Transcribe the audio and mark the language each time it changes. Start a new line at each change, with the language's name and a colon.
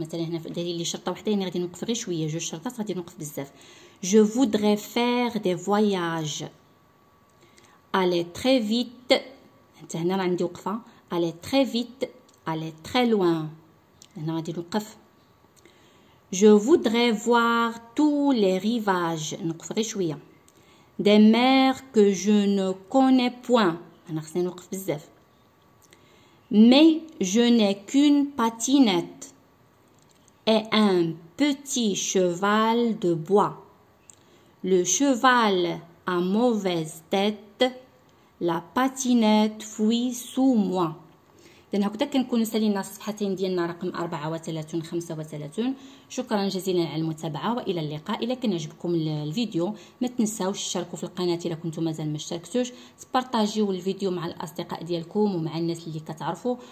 Arabic: مثلا هنا في دليل لي شرطه وحده، يعني غادي نوقف غير شويه، جوج شرطات غادي نوقف بزاف.
French: جو فودري فير دي فواياج الي تري فيت،
Arabic: انت هنا راه عندي وقفه،
French: الي تري فيت الي تري لوان، هنا غادي نوقف. Je voudrais voir tous les rivages.
Arabic: نقف غير شويه.
French: Des mers que je ne connais point.
Arabic: انا خصني نوقف بزاف.
French: Mais je n'ai qu'une patinette et un petit cheval de bois. Le cheval a mauvaise tête. La patinette fuit sous moi.
Arabic: إذن هكذا كنكون سالينا الصفحتين ديالنا رقم 34 35. شكرا جزيلا على المتابعة وإلى اللقاء. إذا كان يعجبكم الفيديو ما تنساوش تشاركوا في القناة إذا كنتم مازال ما اشتركتوش، تبارطاجيو الفيديو مع الأصدقاء ديالكم ومع الناس اللي كتعرفوا.